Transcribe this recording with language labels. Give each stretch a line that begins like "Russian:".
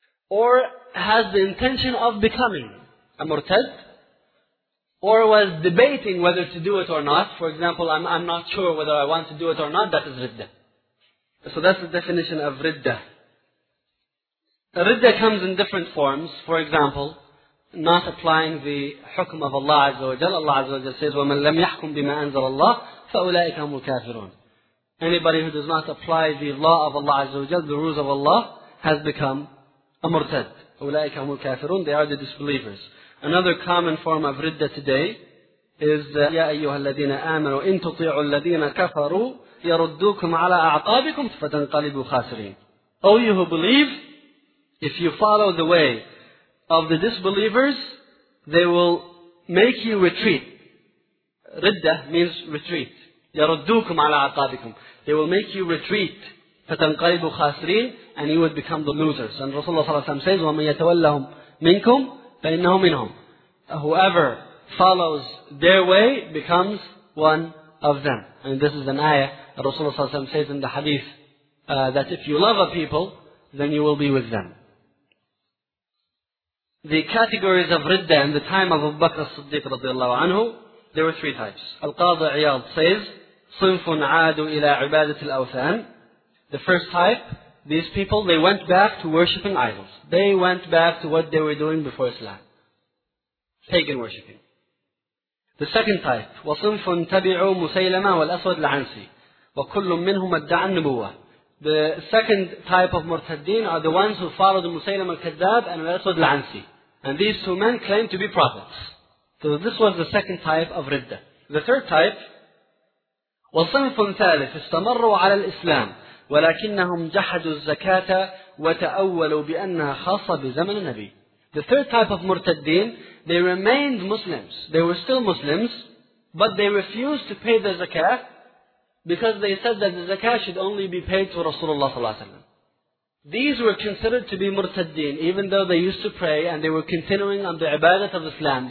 English: Or has the intention of becoming a murtad, or was debating whether to do it or not. For example, I'm not sure whether I want to do it or not, that is riddah. So that's the definition of riddah. Riddah comes in different forms. For example, not applying the hukm of Allah Azza wa Jalla. Allah Azza wa Jalla says,
Arabic: وَمَنْ لَمْ يَحْكُمْ بِمَا أَنزَلَ اللَّهِ فَأُولَٰئِكَ هُمُ الْكَافِرُونَ.
English: Anybody who does not apply the law of Allah Azza wa Jalla, the rules of Allah, has become a murtad.
Arabic: أُولَٰئِكَ هُمُ الْكَافِرُونَ.
English: They are the disbelievers. Another common form of riddah today is,
Arabic: يَا أَيُّهَا الَّذِينَ آمَنُوا إِن تُطِيعُوا الَّذِينَ كَفَرُوا يَرُدُّوكُمْ عَلَىٰ أَعْقَابِكُمْ فَتَنْقَلِبُوا خَاسِرِينَ.
English: Oh, you who believe, if you follow the way of the disbelievers, they will make you retreat. Riddah means retreat.
Arabic: يَرُدُّوكُمْ عَلَىٰ أَعْقَابِكُمْ.
English: They will make you retreat.
Arabic: فَتَنْقَلِبُوا خَاسِرِينَ,
English: and you would become the losers. And Rasulullah
Arabic: صلى الله عليه وسلم
English: says,
Arabic: وَمَن يَتَوَلَّهُمْ مِنْكُمْ فَإِنَّهُ مِنْهُمْ.
English: Whoever follows their way becomes one of them. And this is an ayah that Rasulullah صلى الله عليه وسلم says in the hadith, that if you love a people, then you will be with them. The categories of riddah in the time of Abu Bakr as-Siddiq رضي الله عنه, there were three types. Al-Qadhi Iyad says,
Arabic: صِنْفٌ عَادُوا إِلَىٰ عِبَادَةِ الْأَوْثَانِ.
English: The first type, these people, they went back to worshipping idols. They went back to what they were doing before Islam. Pagan worshipping. The second type,
Arabic: وَصِنْفٌ تَبِعُوا مُسَيْلَمًا وَالْأَسْوَدِ الْعَنْسِي وَكُلٌّ مِّنْهُمَ ادَّعَ النُّبُوَّةِ.
English: The second type of Murtaddin are the ones who followed Musaylam al-Kadhab and al-Aswad al-Ansi. And these two men claim to be prophets. So this was the second type of Ridda. The third type,
Arabic: وَصِنْفٌ ثَالِثٌ اسْتَمَرُّوا عَلَى الْإِسْلَامِ وَلَكِنَّهُمْ جَحَدُوا الزَّكَاةَ وَتَأَوَّلُوا بِأَنَّهَا خَاصَ بِزَمَنِ النَّبِي.
English: The third type of Murtaddin, they remained Muslims. They were still Muslims, but they refused to pay the zakah because they said that the zakah should only be paid to Rasulullah ﷺ. These were considered to be Murtaddin, even though they used to pray and they were continuing on the ibadat of Islam.